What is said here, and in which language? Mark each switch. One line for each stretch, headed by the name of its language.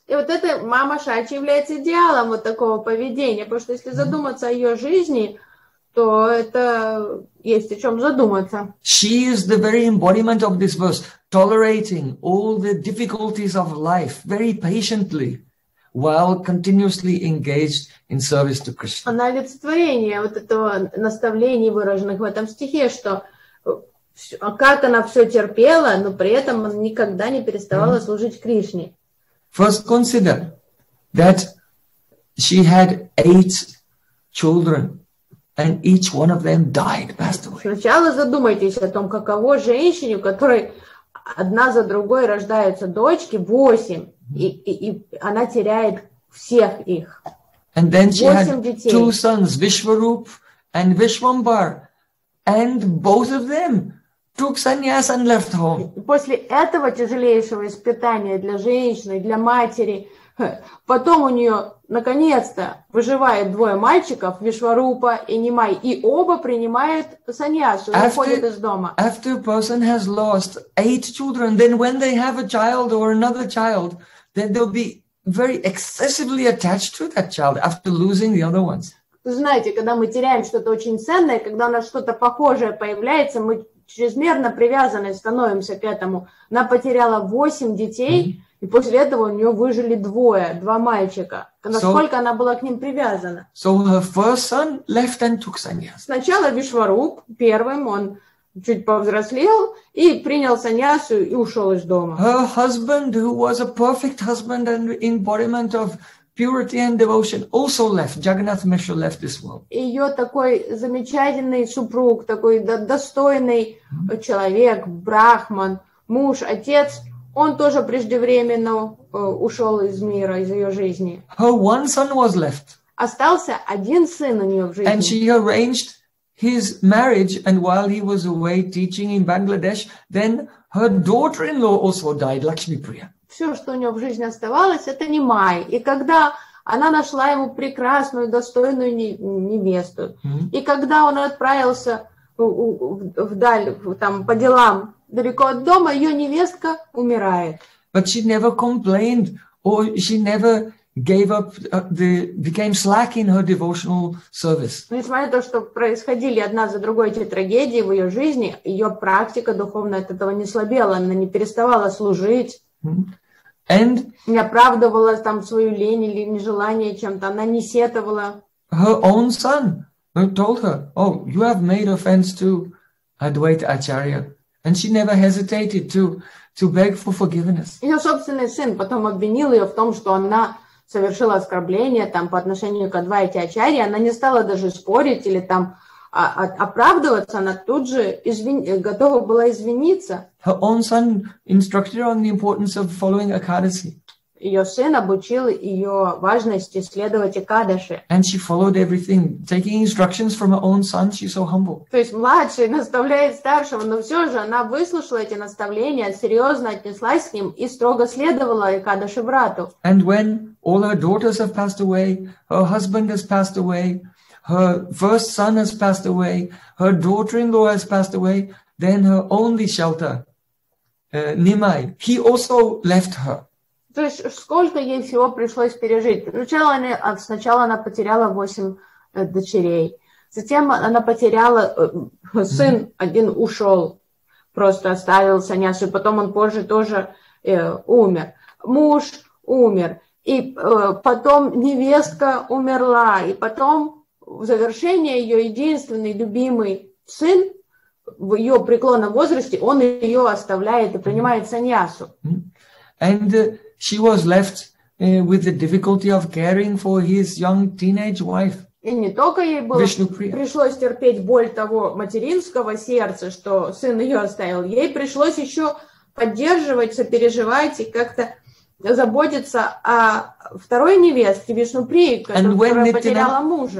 Russian: И вот эта мама Шачи является идеалом вот такого поведения, потому что если задуматься о ее жизни, то это есть о чем задуматься.
English: She is the very embodiment of this verse, tolerating all the difficulties of life very patiently, while continuously engaged in service to Krishna.
Russian: Она олицетворение вот этого наставления, выраженных в этом стихе, что как она все терпела, но при этом никогда не переставала служить Кришне.
English: First consider that she had 8 children, and each one of them died, passed away.
Russian: Сначала задумайтесь о том, каково женщине, у которой одна за другой рождаются дочки, 8, и она теряет всех их.
English: And then she had 2 sons, Vishwarup and Vishwambar, and both of them took sannyas and left home.
Russian: После этого тяжелейшего испытания для женщины, для матери, потом у нее наконец-то выживает двое мальчиков, Вишварупа и Нимай, и оба принимают саньясу, выходят из дома.
English: After a person has lost 8 children, then when they have a child or another child, then they'll be very excessively attached to that child after losing the other ones.
Russian: Знаете, когда мы теряем что-то очень ценное, когда у нас что-то похожее появляется, мы чрезмерно привязаны, становимся к этому. Она потеряла 8 детей, и после этого у нее выжили 2 мальчика. Насколько она была к ним привязана?
English: So her first son left and took sannyas.
Russian: Сначала Вишваруп, первым, он чуть повзрослел и принял саньясу и ушел из дома.
English: Her husband, who was a perfect husband and embodiment of purity and devotion, also left. Jagannath Mishra left this world.
Russian: Ее такой замечательный супруг, такой достойный человек, брахман, муж, отец, он тоже преждевременно ушел из мира, из ее жизни.
English: Her one son was left.
Russian: Остался один сын у нее в жизни.
English: And she arranged his marriage, and while he was away teaching in Bangladesh, then her daughter-in-law also died, Lakshmi Priya.
Russian: Все, что у нее в жизни оставалось, это не Май. И когда она нашла ему прекрасную, достойную невесту, и когда он отправился вдаль, там, по делам, далеко от дома, ее невестка умирает.
English: But she never complained, or she never gave up, became slack in her devotional service.
Russian: Несмотря на то, что происходили одна за другой эти трагедии в ее жизни, ее практика духовная от этого не слабела, она не переставала служить.
English: And
Russian: не оправдывала там свою лень или нежелание чем-то, она не сетовала.
English: Her own son told her, oh, you have made offense to Advaita Acharya. And she never hesitated to beg for forgiveness.
Russian: Ее собственный сын потом обвинил ее в том, что она совершила оскорбление там по отношению к Адвайте Ачарье, она не стала даже спорить или там оправдываться, она тут же готова была извиниться.
English: Her own son instructed her on the importance of following Akadasi.
Russian: Ее сын обучил ее важности следовать Экадаше.
English: And she followed everything, taking instructions from her own son. She's so humble.
Russian: То есть младший наставляет старшего, но все же она выслушала эти наставления, серьезно отнеслась к ним и строго следовала Экадаше брату.
English: And when all her daughters have passed away, her husband has passed away, her first son has passed away, her daughter-in-law has passed away, then her only shelter, Nimai, he also left her.
Russian: То есть сколько ей всего пришлось пережить? Сначала она потеряла 8 дочерей, затем она потеряла сын, один ушел, просто оставил саньясу, потом он позже тоже умер, муж умер, и потом невестка умерла, и потом в завершение ее единственный любимый сын в ее преклонном возрасте, он ее оставляет и принимает саньясу.
English: And she was left with the difficulty of caring for his young teenage wife.
Russian: И не только ей было пришлось терпеть боль того материнского сердца, что сын ее оставил, ей пришлось еще поддерживать, сопереживать и как-то заботиться о второй невесте Вишнуприи, которая потеряла мужа.